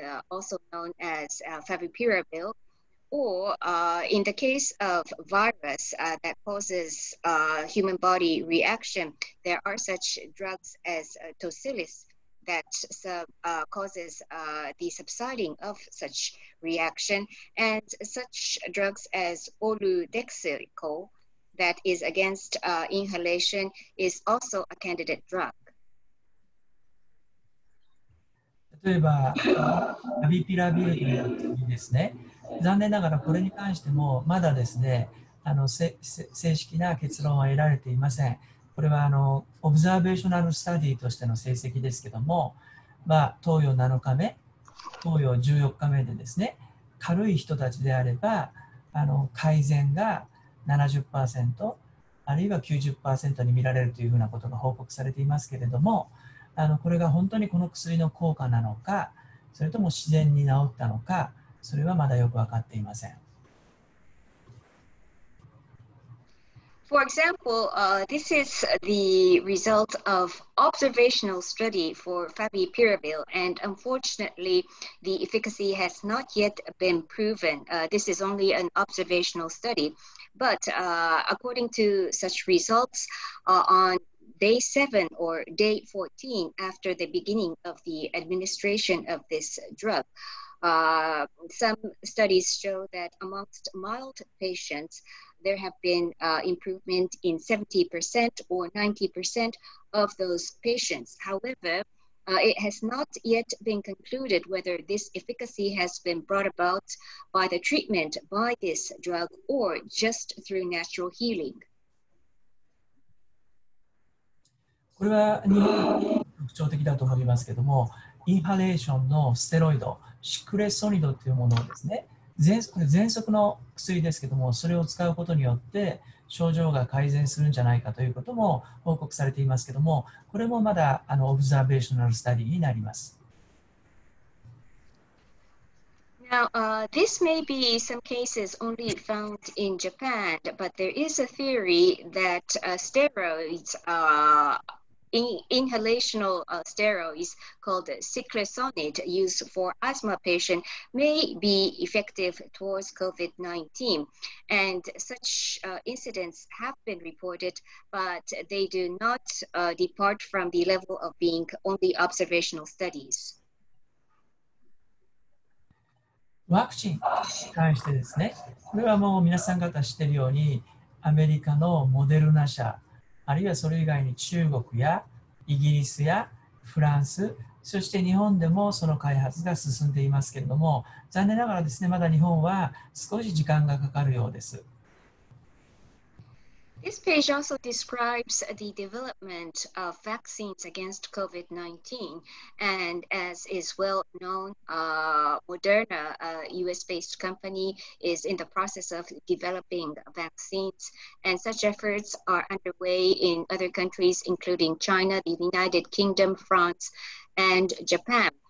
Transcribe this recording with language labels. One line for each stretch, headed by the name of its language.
English: also known as favipiravir, or in the case of virus that causes human body reaction, there are such drugs as tocilizumab that causes the subsiding of such reaction, and such drugs as oludexilico, that is against inhalation, is also a candidate drug.
Japanese: 例えば、ラビピラビルというですね、残念ながらこれに関してもまだですね、正式な結論は得られていません。これはオブザーベーショナルスタディとしての成績ですけども、まあ、投与7日目、投与14日目でですね、軽い人たちであれば、改善が 70% あるいは 90% に見られるというふうなことが報告されていますけれども、これが本当にこの薬の効果なのか、それとも自然に治ったのか、それはまだよく分かっていません。
English: For example, this is the result of observational study for favipiravir, and unfortunately, the efficacy has not yet been proven. This is only an observational study, but according to such results, on day 7 or day 14 after the beginning of the administration of this drug, some studies show that amongst mild patients,there have been improvement in 70% or 90% of those patients. However, it has not yet been concluded whether this efficacy has been brought about by the treatment by this drug or just through natural healing.
Japanese: これは日本特徴的だと思いますけども、インハレーションのステロイド、シクレソニドというものですね。喘息の薬ですけども、それを使うことによって症状が改善するんじゃないかということも報告されていますけども、これもまだオブザーベーショナルスタディになります。
English: Now, this may be some cases only found in Japan, but there is a theory that steroids inhalational steroids called ciclosonid used for asthma patients may be effective towards COVID-19. And such incidents have been reported, but they do not depart from the level of being only observational studies.
Japanese: ワクチンに関してですね、これはもう皆さん方知っているように、アメリカのモデルナ社、あるいはそれ以外に中国やイギリスやフランス、そして日本でもその開発が進んでいますけれども、残念ながらですね、まだ日本は少し時間がかかるようです。
English: This page also describes the development of vaccines against COVID-19, and as is well known, Moderna, a US-based company, is in the process of developing vaccines, and such efforts are underway in other countries, including China, the United Kingdom, France, and Japan.